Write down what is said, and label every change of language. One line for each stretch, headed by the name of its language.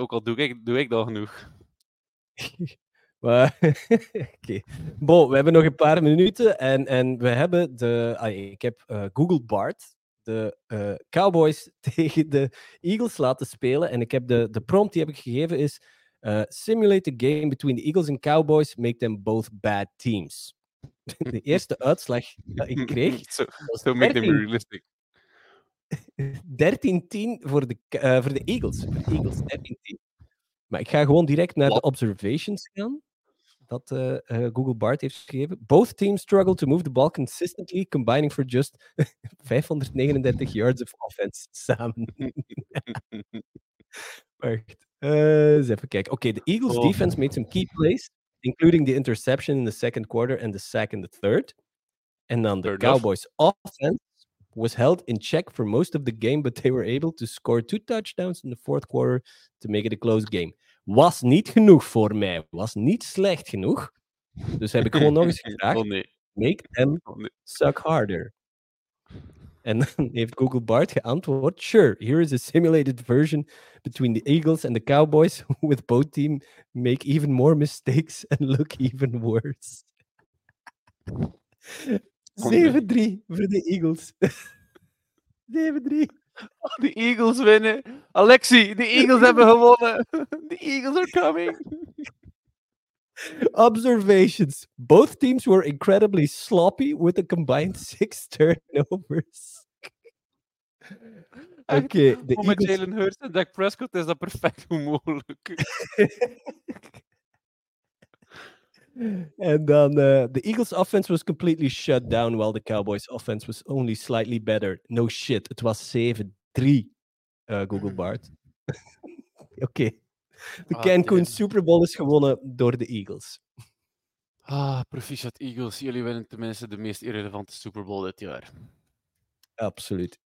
Dutch: Ook al doe ik dat genoeg. Oké. Bo, we hebben nog een paar minuten en we hebben ik heb Google Bart. De Cowboys tegen de Eagles laten spelen. En ik heb de prompt die heb ik gegeven is...
English: simulate a game between the Eagles and Cowboys. Make them both bad teams.
Dutch: De eerste uitslag dat ik kreeg...
English: So make them realistic.
Dutch: 13-10 voor de Eagles. De Eagles 13-10. Maar ik ga gewoon direct naar de observations gaan. Dat Google Bart heeft geschreven.
English: Both teams struggle to move the ball consistently, combining for just 539 yards of offense
Dutch: samen. Wacht. Eens even kijken. Oké, de
English: Eagles defense made some key plays, including the interception in the second quarter and the sack in the third. And then the Cowboys offense was held in check for most of the game, but they were able to score 2 touchdowns in the fourth quarter to make it a close game.
Dutch: Was niet genoeg voor mij. Was niet slecht genoeg. Dus heb ik gewoon nog eens gevraagd.
English: Make them suck harder.
Dutch: En dan heeft Google Bart geantwoord.
English: Sure, here is a simulated version between the Eagles and the Cowboys with both teams make even more mistakes and look even worse.
Dutch: 7-3 voor de Eagles. 7-3. Oh, de Eagles winnen. Alexi, de Eagles hebben gewonnen.
English: De Eagles are coming. Observations. Both teams were incredibly sloppy with a combined 6 turnovers.
Dutch: Oké, de Eagles... Met Jalen Hurts en Dak Prescott is dat perfect mogelijk. En dan,
English: the Eagles offense was completely shut down while the Cowboys offense was only slightly better. No shit,
Dutch: het was 7-3, Google Bart. Oké. De Cancun Super Bowl is gewonnen door de Eagles. Ah, proficiat Eagles. Jullie winnen tenminste de meest irrelevante Super Bowl dit jaar. Absoluut.